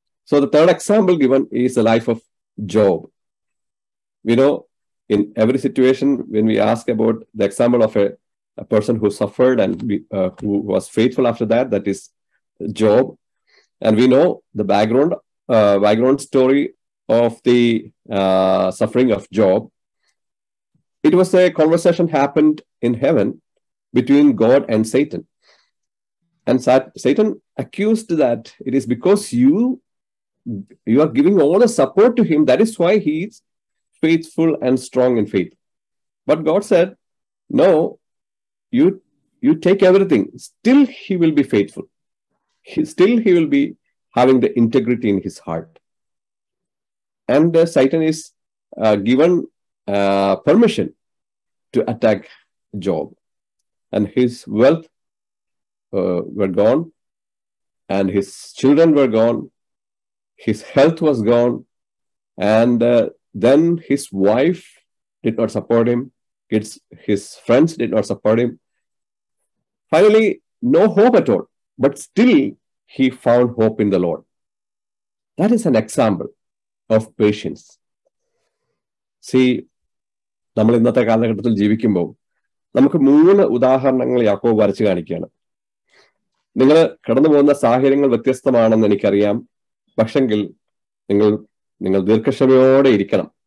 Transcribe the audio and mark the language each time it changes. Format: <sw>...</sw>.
<en>So the third example given is the life of Job. We know in every situation when we ask about the example of a person who suffered and who was faithful after that, that is Job. And we know the background story of the suffering of Job. It was a conversation happened in heaven between God and Satan. And Satan accused that it is because you are giving all the support to him, that is why he is faithful and strong in faith. But God said, no, you take everything, still he will be faithful. He will be having the integrity in his heart. And Satan is given permission to attack Job. And his wealth were gone, and his children were gone, his health was gone, and then his wife did not support him, his friends did not support him. Finally, no hope at all, but still he found hope in the Lord. That is an example of patience.</en> <ml>See, നമ്മൾ ഇന്നത്തെ കാലഘട്ടത്തിൽ ജീവിക്കുമ്പോൾ നമുക്ക് മൂന്ന് ഉദാഹരണങ്ങൾ യാക്കോബ് വരച്ച് കാണിക്കുകയാണ്. നിങ്ങൾ കടന്നു പോകുന്ന സാഹചര്യങ്ങൾ വ്യത്യസ്തമാണെന്ന് എനിക്കറിയാം, പക്ഷെങ്കിൽ നിങ്ങൾ ദീർഘക്ഷമയോടെ ഇരിക്കണം.</ml>